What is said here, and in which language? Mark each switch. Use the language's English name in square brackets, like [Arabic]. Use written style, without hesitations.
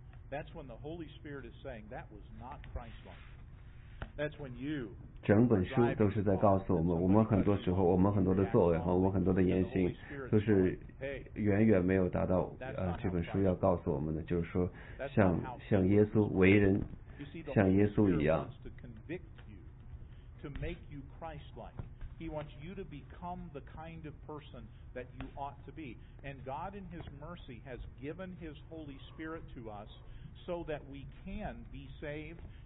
[English] That's when the Holy Spirit is saying that was not Christ-like. That's when you. [Chinese] 整本书都是在告诉我们，我们很多时候，我们很多的作为和我们很多的言行，都是远远没有达到这本书要告诉我们的，就是说像耶稣为人，像耶稣一样。 [English] To convict you, to make you Christ-like. He wants you to become the kind of person. That you ought to be, and God in His mercy has given His Holy Spirit to us, so that we can be saved